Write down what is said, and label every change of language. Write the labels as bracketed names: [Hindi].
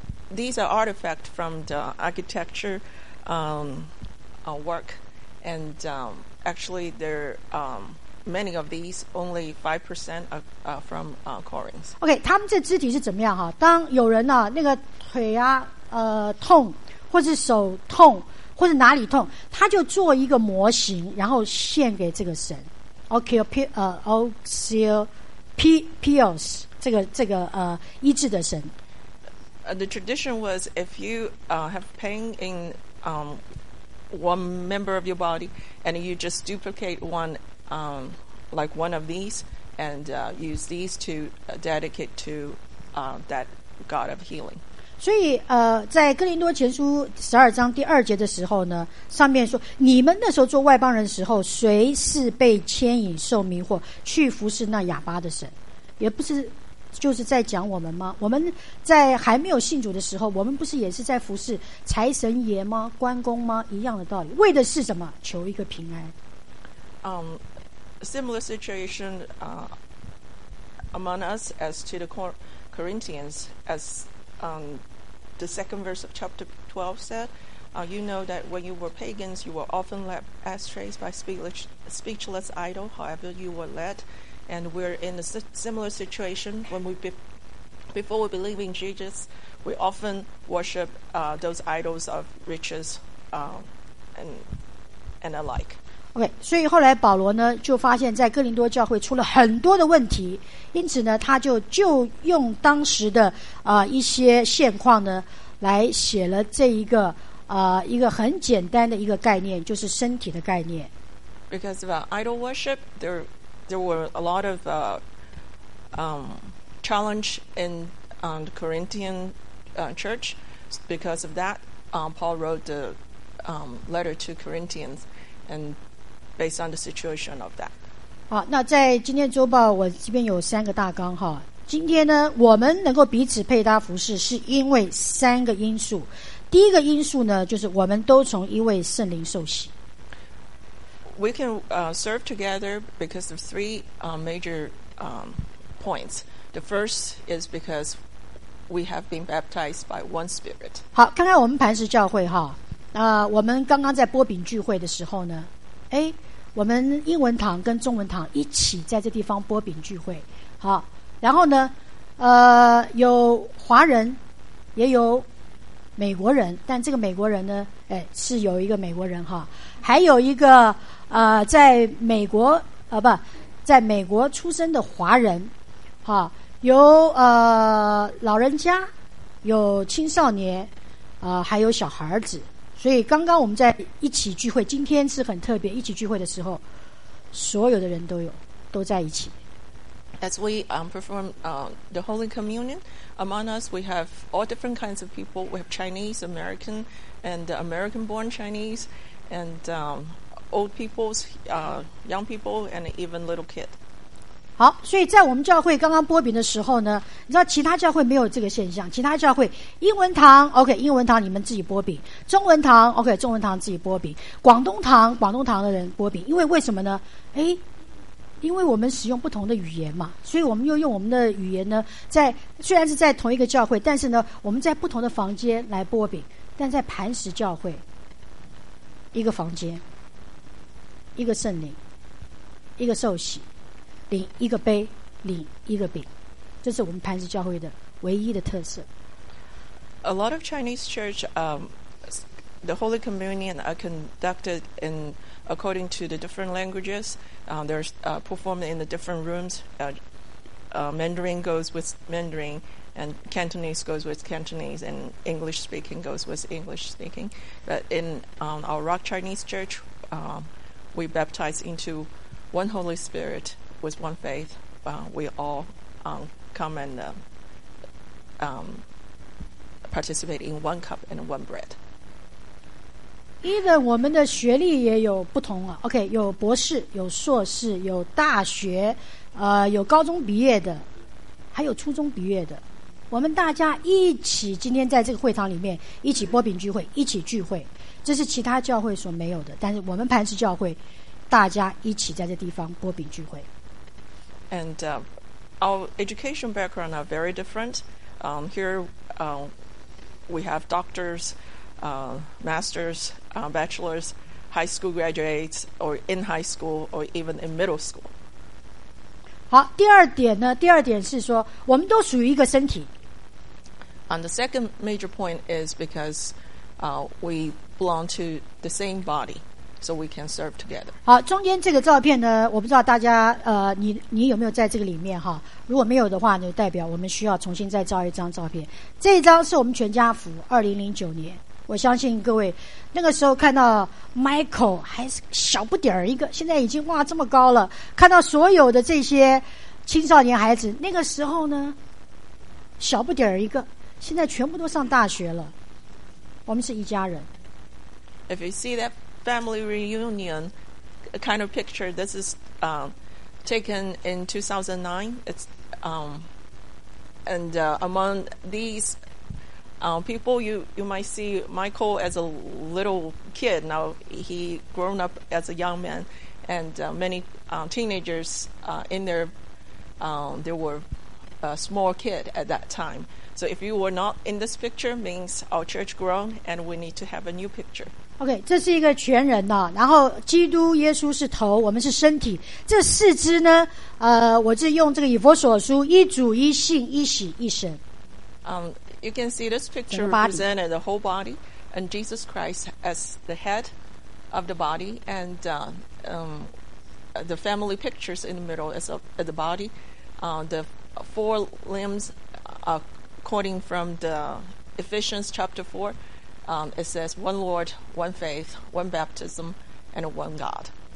[English] These are artifacts from the architecture work, and actually there are many of these, only 5% are from Corinth. [Chinese] Okay, 他们这肢体是怎么样哈？当有人呢，那个腿啊，痛，或是手痛，或是哪里痛，他就做一个模型，然后献给这个神。 Oxyopios, 这个医治的神。 [English] The tradition was if you have pain in one member of your body and you just duplicate one, like one of these, and use these to dedicate to that God of healing. [Chinese] 所以在哥林多前书十二章第二节的时候呢，上面说你们那时候做外邦人的时候，谁是被牵引受迷惑去服侍那亚巴的神，也不是就是在讲我们吗？我们在还没有信主的时候，我们不是也是在服侍财神爷吗？关公吗？一样的道理，为的是什么？求一个平安。 [English] Similar situation among us as to the Corinthians, as the second verse of chapter 12 said, you know that when you were pagans, you were often led astray by speechless idol. However, you were led. And we're in a similar situation when we before we believe in Jesus, we often worship those idols of riches and alike. [Chinese] Okay, 所以后来保罗呢就发现在哥林多教会出了很多的问题，因此呢他就用当时的一些现况呢来写了这一个很简单的一个概念，就是身体的概念。 [English] Because of idol worship, There were a lot of challenge in the Corinthian church. Because of that, Paul wrote the letter to Corinthians, and based on the situation of that. [Chinese] 好，那在今天周报，我这边有三个大纲哈。今天呢，我们能够彼此配搭服侍，是因为三个因素。第一个因素呢，就是我们都从一位圣灵受洗。 [English] We can serve together because of three major points. The first is because we have been baptized by one spirit. [Chinese] 好，看看我们磐石教会哈，我们刚刚在波饼聚会的时候呢，我们英文堂跟中文堂一起在这地方波饼聚会。好，然后呢，有华人，也有美国人，但这个美国人呢，是有一个美国人哈，还有一个。在美国出生的华人，好，有老人家，有青少年，还有小孩子。所以刚刚我们在一起聚会，今天是很特别，一起聚会的时候，所有的人都在一起。 [English] As we perform the Holy Communion, among us we have all different kinds of people. We have Chinese, American, and American-born Chinese, and old people's, young people, and even little kid. [Chinese] 好，所以在我们教会刚刚播饼的时候呢，你知道其他教会没有这个现象。其他教会英文堂 ，OK， 英文堂你们自己播饼；中文堂 ，OK， 中文堂自己播饼；广东堂的人播饼。因为什么呢？因为我们使用不同的语言嘛，所以我们又用我们的语言呢，在虽然是在同一个教会，但是呢，我们在不同的房间来播饼，但在磐石教会一个房间。一个圣灵，一个受洗，领一个杯，领一个饼，这是我们磐石教会的唯一的特色。 [English] A lot of Chinese church, the Holy Communion are conducted in according to the different languages. They're performed in the different rooms. Mandarin goes with Mandarin, and Cantonese goes with Cantonese, and English speaking goes with English speaking. But in our Rock Chinese church, we baptize into one Holy Spirit with one faith. We all come and participate in one cup and one bread. Even [Chinese] 我们的学历也有不同啊。 OK, 有博士，有硕士，有大学，有高中毕业的，还有初中毕业的。我们大家一起今天在这个会堂里面一起擘饼聚会，一起聚会，这是其他教会所没有的。但是我们磐石教会，大家一起在这地方擘饼聚会。 [English] And our education background are very different. Here, we have doctors, masters, bachelors, high school graduates, or in high school, or even in middle school. [Chinese] 好，第二点呢？第二点是说，我们都属于一个身体。 [English] And the second major point is because we belong to the same body, so we can serve together. [Chinese] 好，中间这个照片呢，我不知道大家你有没有在这个里面哈？如果没有的话，就代表我们需要重新再照一张照片。这一张是我们全家福，2009年。我相信各位那个时候看到 Michael 还是小不点儿一个，现在已经哇这么高了。看到所有的这些青少年孩子，那个时候呢小不点儿一个，现在全部都上大学了，我们是一家人。 [English] If you see that family reunion kind of picture, this is taken in 2009. It's and among thesePeople, you might see Michael as a little kid. Now he grown up as a young man, and many teenagers in there, they were a small kid at that time. So if you were not in this picture, means our church grown, and we need to have a new picture. [Chinese] Okay, 这是一个全人呐、啊。然后基督耶稣是头，我们是身体。这四肢呢，我是用这个以弗所书一主一信一喜一神。 [English] You can see this picture represented the whole body, and Jesus Christ as the head of the body, and the family pictures in the middle is of the body. The four limbs, according from the Ephesians chapter 4, it says one Lord, one faith, one baptism, and one God.